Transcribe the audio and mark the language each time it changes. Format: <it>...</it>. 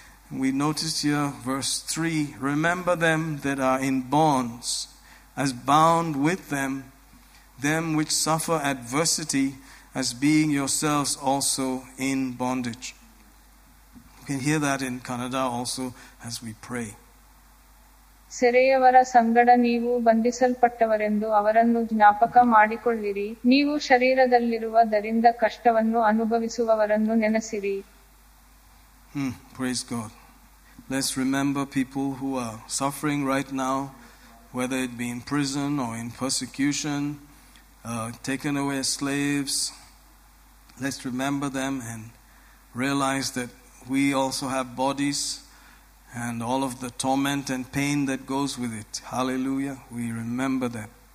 <en>We notice here, verse 3, remember them that are in bonds, as bound with them which suffer adversity, as being yourselves also in bondage. You can hear that in Kannada also as we pray.</en> <kn>ಸೆರೆಯವರ ಸಂಗಡ ನೀವು ಬಂಧಿಸಲ್ಪಟ್ಟವರೆಂದು ಅವರನ್ನು ಜ್ಞಾಪಕ ಮಾಡಿಕೊಳ್ಳಿರಿ. ನೀವು ಶರೀರದಲ್ಲಿರುವ ದರಿಂದ ಕಷ್ಟವನ್ನು ಅನುಭವಿಸುವವರನ್ನು ನೆನೆಸಿರಿ.</kn> <en>Praise God. Let's remember people who are suffering right now, whether it be in prison or in persecution, taken away as slaves. Let's remember them and realize that we also have bodies and all of the torment and pain that goes with it. Hallelujah. We remember them.</en>